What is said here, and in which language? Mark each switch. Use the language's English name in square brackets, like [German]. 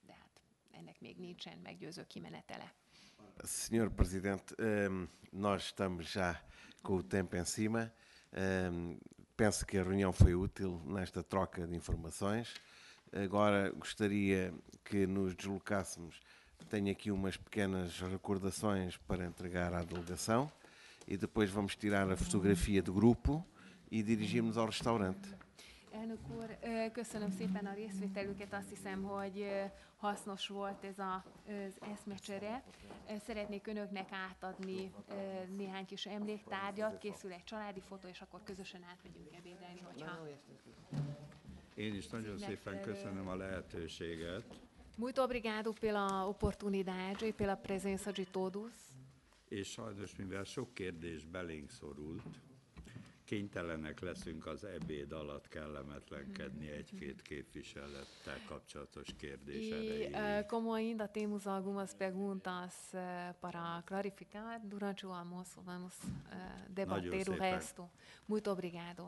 [Hungarian] De hát ennek még nincsen meggyőző kimenetele. [Portuguese] Senhor Presidente, nós estamos já com o tempo em cima. Penso que a reunião foi útil nesta troca de informações. Agora gostaria que nos deslocássemos. Tenho aqui umas pequenas recordações para entregar à delegação. E depois vamos tirar a fotografia do grupo e dirigimos ao restaurante. [Hungarian] Elnök úr, köszönöm szépen a részvételüket. Azt hiszem, hogy hasznos volt ez az eszmecsere. Szeretnék önöknek átadni néhány kis emléktárgyat. Készül egy családi fotó, és akkor közösen átmegyünk ebédelni, hogyha... Én is nagyon szépen köszönöm a lehetőséget. [Portuguese] Muito obrigado pela oportunidade e pela presença de todos. [Hungarian] És sajnos, mivel sok kérdés belénk szorult, kénytelenek leszünk az ebéd alatt kellemetlenkedni egy-két képviselettel kapcsolatos kérdésére. [Portuguese] Como ainda temos algumas perguntas para clarificar, durante o almoço vamos debater o resto. Muito obrigado.